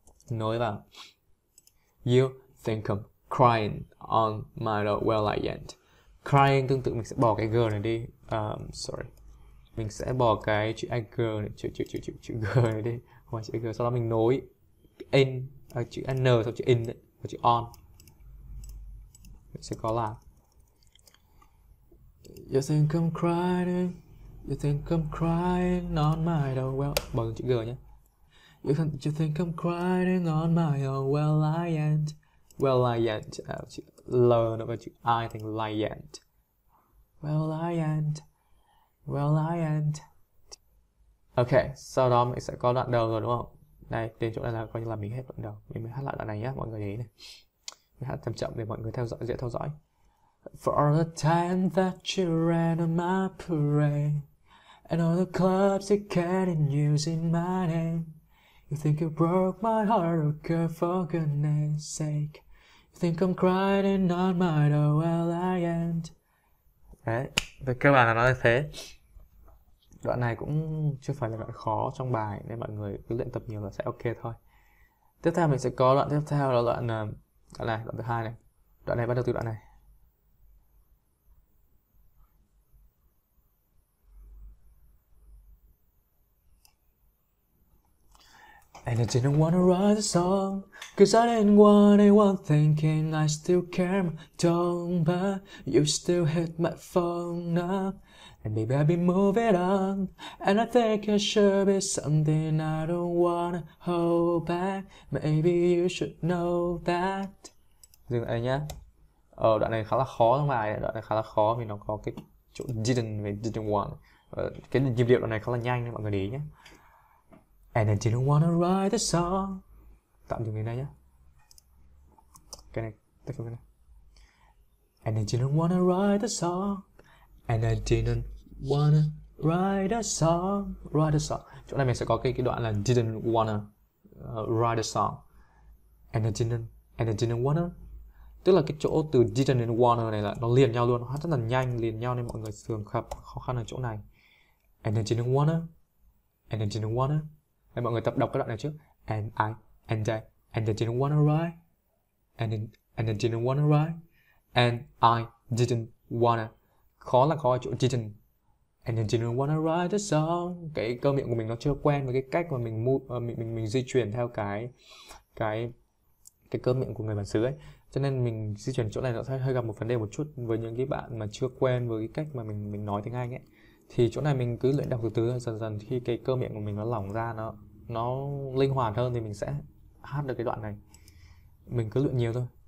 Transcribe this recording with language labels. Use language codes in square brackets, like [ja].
[vi] Nói là [en] You think I'm crying on my door, well I ain't. [vi] Crying tương tự mình sẽ bỏ cái g này đi. Sorry. Mình sẽ bỏ cái chữ g này, chữ g này đi. Ngoài chữ g, sau đó mình nối in, chữ n sau chữ in đấy, và chữ on. Mình sẽ có là [en] You think I'm crying, you think I'm crying on my door, well. [vi] Bỏ chữ g nhé. [en] You think I'm crying on my own, well I ain't. Well I ain't. [vi] Chữ L nó vào chữ I thành L I ain't. [en] Well I ain't. Well I ain't. [vi] Ok, sau đó mình sẽ có đoạn đầu rồi đúng không? Đây, đến chỗ này là coi như là mình hết đoạn đầu. Mình mới hát lại đoạn này nhé, mọi người để ý này. Mình hát chậm chậm để mọi người theo dõi, dễ theo dõi. [en] For all the time that you ran on my parade, and all the clubs you can't in using my name. You think you broke my heart, oh girl, for goodness sake. You think I'm crying on my door, well I ain't. [vi] Đấy, về cơ bản là nó là thế. Đoạn này cũng chưa phải là đoạn khó trong bài, nên mọi người cứ luyện tập nhiều là sẽ ok thôi. Tiếp theo mình sẽ có đoạn tiếp theo là đoạn này, đoạn thứ hai này. Đoạn này bắt đầu từ đoạn này. [en] And I didn't wanna write a song, cause I didn't want anyone thinking I still care my tone, but you still hit my phone up. And maybe I'll be moving on, and I think it should be something I don't wanna hold back. Maybe you should know that. [vi] dừng lại nhá. Ở đoạn này khá là khó trong bài, đoạn này khá là khó vì nó có cái chỗ didn't và didn't want. Cái nhịp điệu đoạn này khá là nhanh nên mọi người để ý nhé. [en] And I didn't wanna write the song. [vi] Tạm dừng đến đây nhé. Cái này, tất cả cái này. [en] And I didn't wanna write the song. And I didn't wanna write a song. Write a song. [vi] Chỗ này mình sẽ có cái đoạn là [en] didn't wanna write a song. And I didn't wanna. [vi] Tức là cái chỗ từ didn't and wanna này là nó liền nhau luôn, nó rất là nhanh liền nhau nên mọi người thường gặp khó khăn ở chỗ này. And I didn't wanna. And I didn't wanna. Đây, mọi người tập đọc cái đoạn này trước. [en] And I didn't wanna write. And I didn't wanna write. And I didn't wanna. [vi] Khó là khó ở chỗ didn't. [en] And I didn't wanna write a song. [vi] Cái cơ miệng của mình nó chưa quen với cái cách mà mình di chuyển theo cái cơ miệng của người bản xứ ấy. Cho nên mình di chuyển chỗ này nó sẽ hơi gặp một vấn đề một chút với những cái bạn mà chưa quen với cái cách mà mình nói tiếng Anh ấy. Thì chỗ này mình cứ luyện đọc từ từ, dần dần khi cái cơ miệng của mình nó lỏng ra, nó linh hoạt hơn thì mình sẽ hát được cái đoạn này. Mình cứ luyện nhiều thôi.